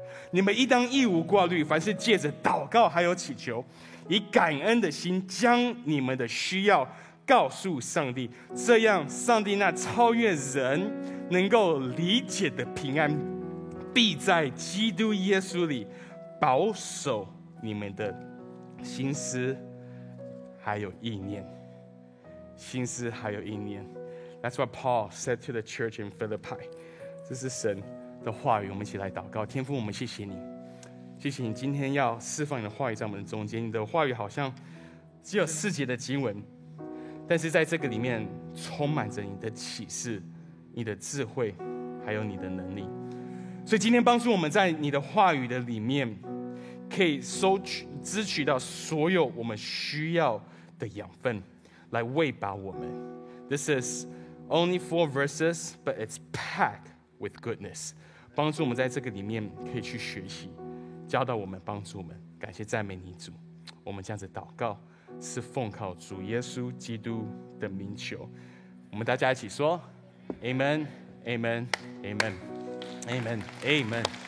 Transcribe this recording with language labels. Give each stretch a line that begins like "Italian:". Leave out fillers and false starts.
Chinese: 你们应当一无挂虑，凡是借着祷告还有祈求，以感恩的心将你们的需要告诉上帝，这样上帝那超越人能够理解的平安必在基督耶稣里保守你们的心思还有意念。心思还有意念，
English: That's what Paul said to the church in Philippi。
Chinese: 这是神的话语，我们一起来祷告。天父，我们谢谢你，谢谢你今天要释放你的话语在我们中间。你的话语好像只有四节的经文，但是在这个里面充满着你的启示、你的智慧还有你的能力。所以今天帮助我们在你的话语的里面可以收取、支取到所有我们需要的养分来喂饱我们。
English: This is only four verses but it's packed with goodness。
Chinese: 帮助我们在这个里面可以去学习，教导我们，帮助我们，感谢赞美你主。我们这样子祷告是奉靠主耶稣基督的名求，我们大家一起说 Amen Amen Amen Amen Amen。